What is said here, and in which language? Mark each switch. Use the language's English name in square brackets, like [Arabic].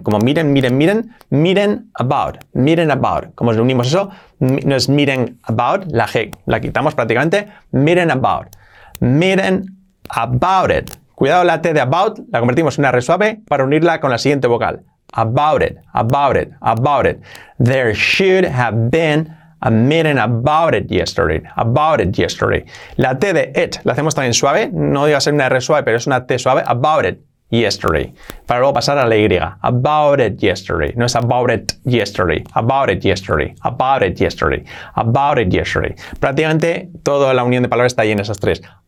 [Spanish] Como miren, miren, miren. [English] Meeting about. Meeting about. [Spanish] ¿Cómo unimos eso? No es [English] meeting about. [Spanish] La G la quitamos prácticamente. [English] Meeting about. Meeting about it. [Spanish] Cuidado la T de about. La convertimos en una re suave para unirla con la siguiente vocal. [English] About it, about it, about it. There should have been a meeting about it yesterday. About it yesterday. [Spanish] La T de it la hacemos también suave. No iba a ser una R suave, pero es una T suave. [English] About it yesterday. [Spanish] Para luego pasar a la Y. [English] About it yesterday. [Spanish] No es [English] about it yesterday. About it yesterday. About it yesterday. About it yesterday. [Spanish] Prácticamente toda la unión de palabras está ahí en esas tres.